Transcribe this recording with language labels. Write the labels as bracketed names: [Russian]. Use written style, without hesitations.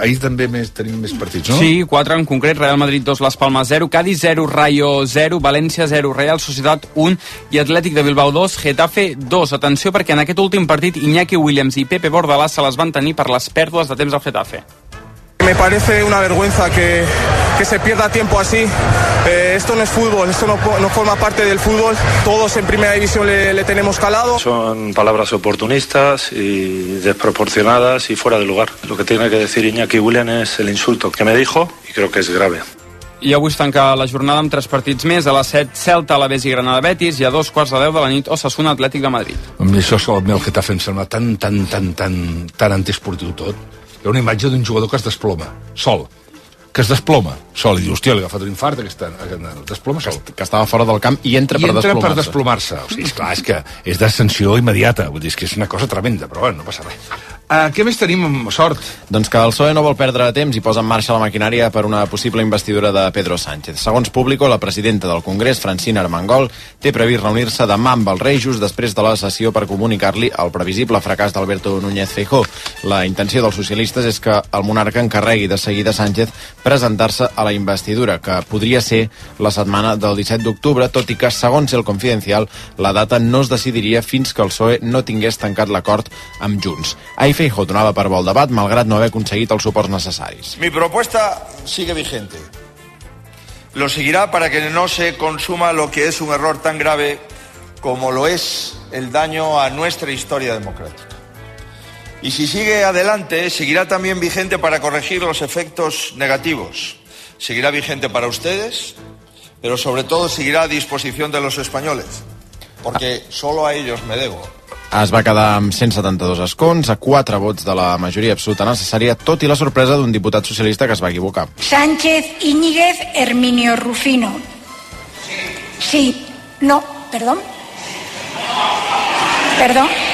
[Catalan] Ahir també tenim més partits, no? Sí, 4 en concret, Real Madrid 2, Las Palmas 0, Cádiz 0, Rayo 0, València 0, Real Sociedad 1 i Atlètic de Bilbao 2, Getafe 2. Atenció, perquè en aquest últim partit Iñaki Williams i Pepe Bordalás se les van tenir per les pèrdues de temps al Getafe. [Spanish] Me parece una vergüenza que se pierda tiempo así. Esto no es fútbol, esto no forma parte del fútbol. Todos en primera división le tenemos calado. Son palabras oportunistas y desproporcionadas y fuera de lugar. Lo que tiene que decir Iñaki Williams es el insulto que me dijo y creo que es grave. [Catalan] I avui es tanca la jornada amb 3 partits més. A les 7, Celta, Alavés i Granada Betis, i a 9:45 de la nit, Osasuna Atlètic de Madrid. Això és el meu Getafe, em sembla tan antiesportiu tot. Hi ha una imatge d'un jugador que es desploma, sol. Que es desploma, sol. I diu, hòstia, li ha agafat un infart, desploma sol. Que estava fora del camp i entra, i per, entra desplomar-se. Per desplomar-se. O sigui, esclar, és que és d'ascensió immediata. Vull dir, és que és una cosa tremenda, però bueno, no passa res. Què més tenim amb sort? Doncs que el PSOE no vol perdre temps i posa en marxa la maquinària per una possible investidura de Pedro Sánchez. Segons Público, la presidenta del Congrés, Francina Armengol, té previst reunir-se demà amb el rei just després de la sessió per comunicar-li el previsible fracàs d'Alberto Núñez Feijóo. La intenció dels socialistes és que el monarca encarregui de seguida Sánchez presentar-se a la investidura, que podria ser la setmana del 17 d'octubre, tot i que, segons El Confidencial, la data no es decidiria fins que el PSOE no tingués tancat l'acord amb Junts. I Feijóo donava per bo el debat, malgrat no haver aconseguit els suports necessaris. [Spanish] Mi propuesta sigue vigente. Lo seguirá para que no se consuma lo que es un error tan grave como lo es el daño a nuestra historia democrática. Y si sigue adelante, seguirá también vigente para corregir los efectos negativos. Seguirá vigente para ustedes, pero sobre todo seguirá a disposición de los españoles, porque solo a ellos me debo. [Catalan] Es va quedar amb 172 escons, a 4 vots de la majoria absoluta necessària, tot i la sorpresa d'un diputat socialista que es va equivocar. Sánchez Íñiguez Herminio Rufino. Sí. Sí. No, perdó. Perdó.